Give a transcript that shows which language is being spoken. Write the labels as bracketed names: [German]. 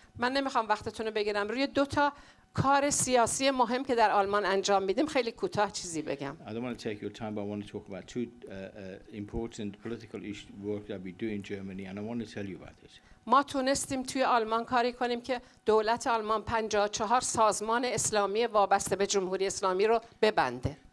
[Persian] من نمیخوام وقتتون رو بگیرم روی دو تا کار سیاسی مهم که در آلمان انجام میدیم خیلی کوتاه چیزی بگم. [English] I don't want to take your time, but I want to talk about two important political work that we do in Germany, and I want to tell you about this. [Persian] ما تونستیم توی آلمان کاری کنیم که دولت آلمان 54 سازمان اسلامی وابسته به جمهوری اسلامی رو ببنده.